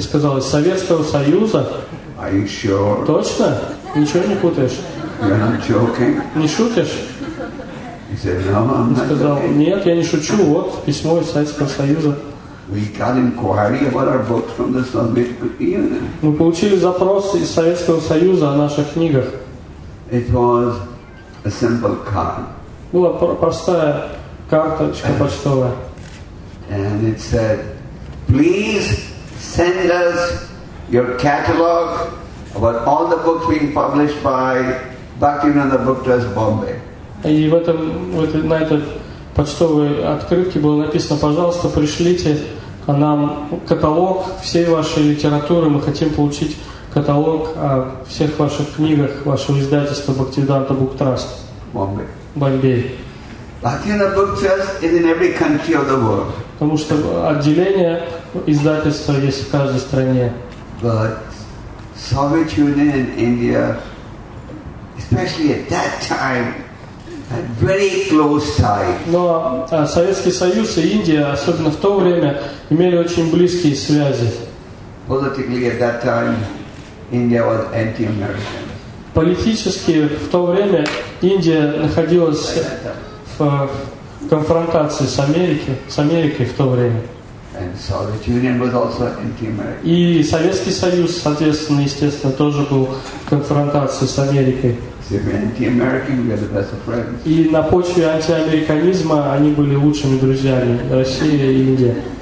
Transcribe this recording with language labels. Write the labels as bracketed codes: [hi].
[ru] сказал: из Советского Союза? [en] Are you sure? [ru] Точно? Ничего не путаешь? [en] You're not joking? [ru] Не шутишь? [en] He said, no, I'm not. [ru] И сказал: нет, я не шучу, вот письмо из Советского Союза. [en] We got inquiry about our books from the Soviet Union. [ru] Мы получили запрос из Советского Союза о наших книгах. [en] It was a simple card. [ru] Была простая карточка почтовая. [en] And it said, please send us your catalog about all the books being published by Bhaktivedanta Book Trust Bombay. [ru] И в этом, на этой почтовой открытке было написано: пожалуйста, пришлите нам каталог всей вашей литературы. Мы хотим получить каталог о всех ваших книгах вашего издательства Bhaktivedanta Book Trust [en] Bombay. [ru] Бомбей. [en] Bhaktivedanta Book Trust is in every country of the world. [ru] Потому что отделение издательства есть в каждой стране. [en] But Soviet Union and India, especially at that time, had very close ties. [ru] Но Советский Союз и Индия, особенно в то время, имели очень близкие связи. [en] Politically at that time, India was anti-American. [ru] Политически в то время Индия находилась в конфронтации с Америкой в то время. [en] And Soviet Union was also anti-American. [ru] И Советский Союз, соответственно, естественно, тоже был в конфронтации с Америкой. [en] Anti-American, we are the best of friends. [ru] И на почве антиамериканизма они были лучшими друзьями, Россия и Индия.